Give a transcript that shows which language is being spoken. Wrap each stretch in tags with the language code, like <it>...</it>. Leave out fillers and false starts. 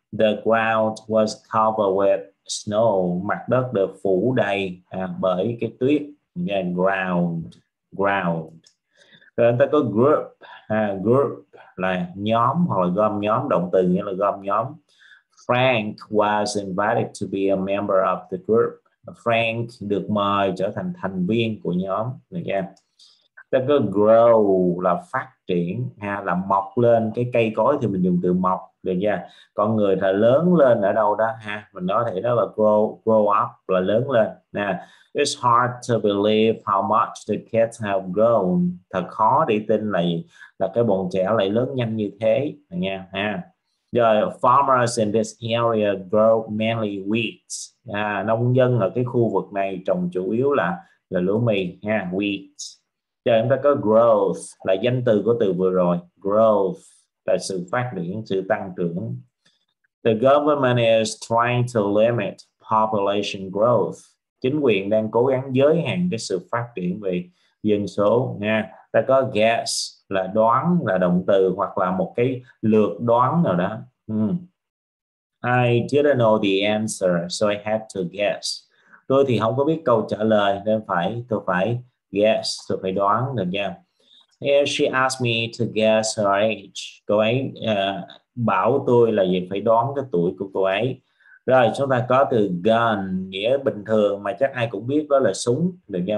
<en>The ground was covered with snow.</en> <vi>Mặt đất được phủ đầy bởi cái tuyết. Yeah, ground, ground. Rồi ta có group, group là nhóm hoặc là gom nhóm, động từ nghĩa là gom nhóm.</vi> <en>Frank was invited to be a member of the group.</en> <vi>Frank được mời trở thành thành viên của nhóm. Yeah. Ta có grow là phát triển ha, là mọc lên. Cái cây cối thì mình dùng từ mọc, được nha. Con người là lớn lên ở đâu đó ha, mình nói thì đó là grow, grow up là lớn lên nè.</vi> <en>It's hard to believe how much the kids have grown.</en> <vi>Thật khó để tin là cái bọn trẻ lại lớn nhanh như thế nha ha.</vi> <en>Rồi, farmers in this area grow mainly wheat.</en> <vi>À, nông dân ở cái khu vực này trồng chủ yếu là lúa mì ha, wheat. Giờ chúng ta có growth là danh từ của từ vừa rồi. Growth là sự phát triển, sự tăng trưởng.</vi> <en>The government is trying to limit population growth.</en> <vi>Chính quyền đang cố gắng giới hạn cái sự phát triển về dân số nha. Ta có guess là đoán, là động từ hoặc là một cái lược đoán nào đó.</vi> <en>I didn't know the answer, so I had to guess.</en> <vi>Tôi thì không có biết câu trả lời nên tôi phải guess, tôi phải đoán được nha. She asked me to guess her age. Cô ấy bảo tôi là gì, phải đoán cái tuổi của cô ấy. Rồi chúng ta có từ gun nghĩa bình thường mà chắc ai cũng biết, đó là súng. Được nha.</vi>